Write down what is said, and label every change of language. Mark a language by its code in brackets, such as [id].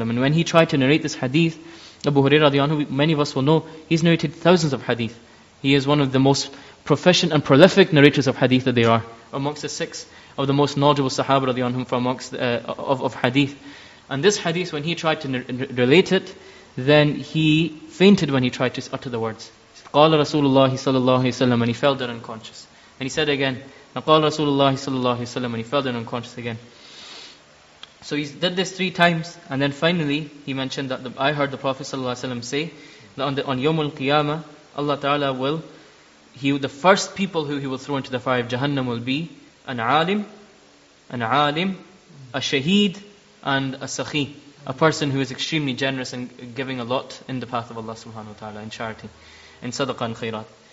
[en] And when he tried to narrate this hadith, Abu Hurairah radiallahu anhu, many of us will know, he's narrated thousands of hadith. He is one of the most proficient and prolific narrators of hadith that there are. Amongst the six of the most knowledgeable sahaba radiallahu anhu from amongst of hadith. And this hadith, when he tried to relate it, then he fainted when he tried to utter the words. [ar] قَالَ رَسُولُ اللَّهِ صَلَى اللَّهُ عَلَيْهِ وَسَلَّمَ And he fell down unconscious. [en] And he said again, قَالَ رَسُولُ اللَّهِ صَلَى اللَّهُ عَلَيْهِ وَسَلَّمَ And he fell down unconscious again. So he did this three times, and then finally he mentioned that I heard the Prophet ﷺ say that on Yawmul Qiyamah, Allah Ta'ala will, the first people who He will throw into the fire of Jahannam will be an alim, a shaheed, and a sakhi, a person who is extremely generous and giving a lot in the path of Allah subhanahu wa ta'ala, in charity, in sadaqah and khairat.